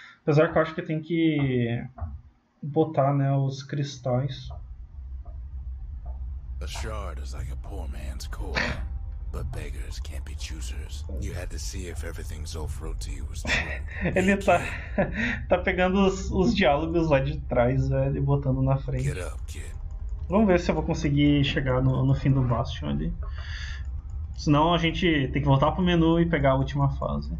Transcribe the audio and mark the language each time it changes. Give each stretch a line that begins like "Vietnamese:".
Portuguese: Apesar que eu acho que tem que botar, né, os cristais. A shard é como um pobre
English: man's core. But beggars can't be choosers. You had to see if everything Zolf wrote to you was true.
Portuguese: Ele tá pegando os diálogos lá de trás, velho, e botando na frente.
English: Get up, kid.
Portuguese: Vamos ver se eu vou conseguir chegar no fim do Bastion ali. Senão a gente tem que voltar pro menu e pegar a última fase.